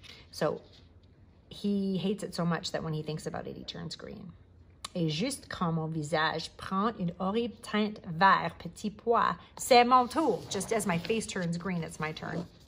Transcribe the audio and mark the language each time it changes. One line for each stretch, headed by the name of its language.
English: So, he hates it so much that when he thinks about it, he turns green.
French: Et juste quand mon visage prend une horrible teinte vert, petit pois, c'est mon tour.
English: Just as my face turns green, it's my turn.